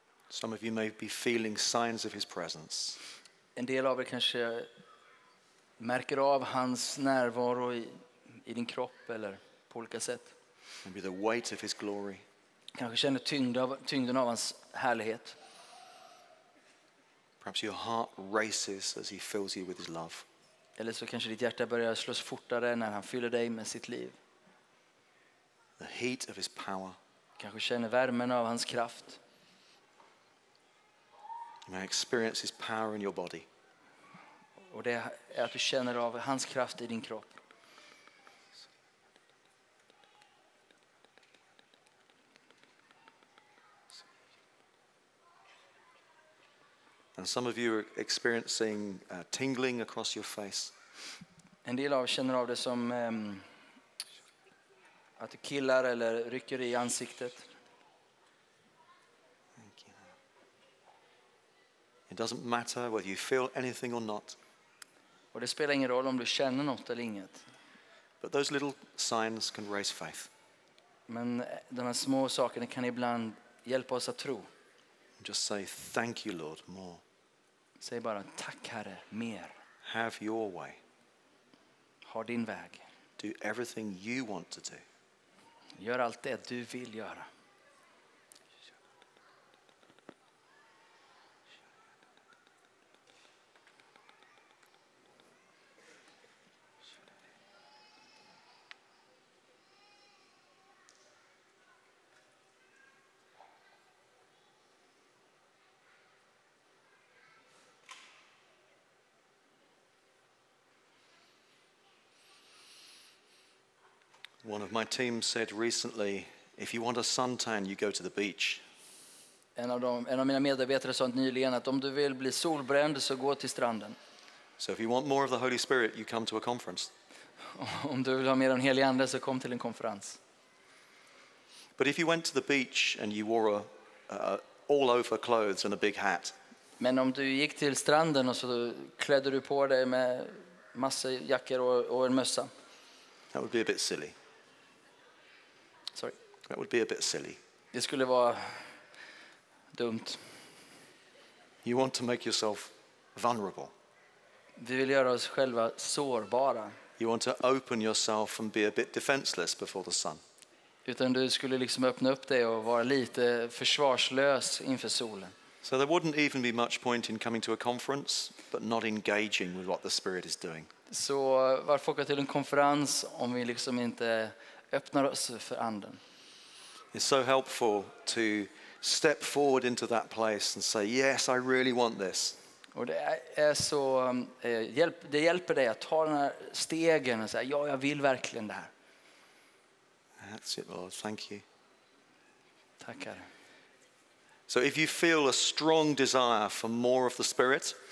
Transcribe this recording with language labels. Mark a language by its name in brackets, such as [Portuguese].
[English] Some of you may be feeling signs of his presence. [Swedish] En del av er kanske märker av hans närvaro i din kropp eller på olika sätt. [English] Maybe the weight of his glory. [Swedish] Kanske känner tyngden av hans härlighet. [English] Perhaps your heart races as he fills you with his love. [Swedish] Eller så kanske ditt hjärta börjar slås fortare när han fyller dig med sitt liv. [English] The heat of his power. [Swedish] Kanske känner värmen av hans kraft. [English] You may experience his power in your body. [Swedish] Och det är att du känner av hans kraft i din kropp. [English] And some of you are experiencing tingling across your face. [Swedish] En del av känner av det som att du killar eller rycker i ansiktet. [English] Thank you. It doesn't matter whether you feel anything or not. [Swedish] Och det spelar ingen roll om du känner något eller inget. [English] But those little signs can raise faith. [Swedish] Men de här små sakerna kan ibland hjälpa oss att tro. [English] Just say thank you, Lord, more. [Swedish] Säg bara tack, Herre, mer. [English] Have your way. [Swedish] Ha din väg. [English] Do everything you want to do. [Swedish] Gör allt det du vill göra. [English] One of my team said recently, if you want a suntan, you go to the beach. [Swedish] En av mina medarbetare sa nyligen att om du vill bli solbränd så gå till stranden. [English] So if you want more of the Holy Spirit, you come to a conference. [Swedish] Om du vill ha mer av den helige ande så kom till en konferens. [English] But if you went to the beach and you wore all over clothes and a big hat. [Swedish] Men om du gick till stranden och så klädde du på dig med massa jackor och en mössa. [English] That would be a bit silly. Sorry. That would be a bit silly. [Swedish] Det skulle vara dumt. [English] You want to make yourself vulnerable. [Swedish] Vi vill göra oss själva sårbara. [English] You want to open yourself and be a bit defenseless before the sun. [Swedish] Utan du skulle liksom öppna upp dig och vara lite försvarslös inför solen. [English] So there wouldn't even be much point in coming to a conference but not engaging with what the Spirit is doing. [Swedish] Så varför gå till en konferens om vi liksom inte öppnar oss för anden. [English] It's so helpful to step forward into that place and say, yes, I really want this. [Swedish] Och det är så det hjälper dig att ta den här stegen och säga, ja, jag vill verkligen det här. [English] That's it, Lord. Thank you. [Swedish] Tackar. [English] So if you feel a strong desire for more of the Spirit,